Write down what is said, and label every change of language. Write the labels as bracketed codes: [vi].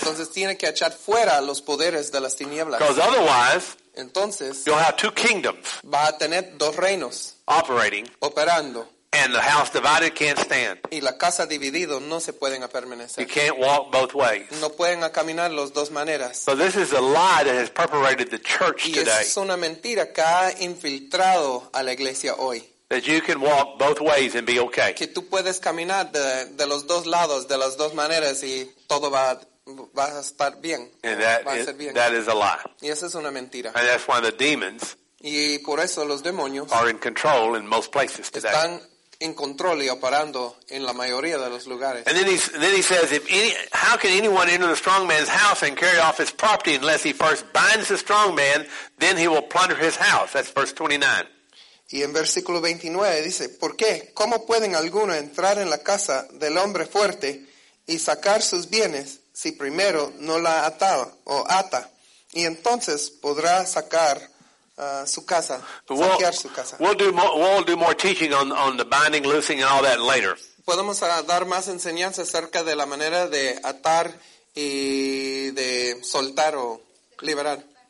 [es] Entonces tiene que echar fuera los poderes de las tinieblas. [en] Because otherwise, [es] entonces, [en] you'll have two kingdoms. [es] Va a tener dos reinos. [en] Operating. [es] Operando. [en] And the house divided can't stand. [es] Y la casa dividido no se pueden permanecer. [en] You can't walk both ways. [es] No pueden caminar los dos maneras. [en] So this is a lie that has perpetrated the church [es] y [en] today. [es] Es una mentira que ha infiltrado a la iglesia hoy. [en] That you can walk both ways and be okay. [es] Que tú puedes caminar de los dos lados, de las dos maneras, y todo va a estar bien. [en] And that, [es] va a ser bien. [en] That is a lie. [es] Y esa es una mentira. [en] And that's why the demons [es] y por eso los demonios [en] are in control in most places today. [es] Están en control y operando en la mayoría de los lugares. [en] And then he says, how can anyone enter the strong man's house and carry off his property unless he first binds the strong man, then he will plunder his house? That's verse 29. [es] Y en versículo 29 dice, ¿por qué? ¿Cómo pueden algunos entrar en la casa del hombre fuerte y sacar sus bienes si primero no la ata? Y entonces podrá sacar su casa, saquear su casa. [en] We'll do more teaching on the binding, loosing and all that later. [es] Podemos dar más enseñanza acerca de la manera de atar y de soltar o liberar.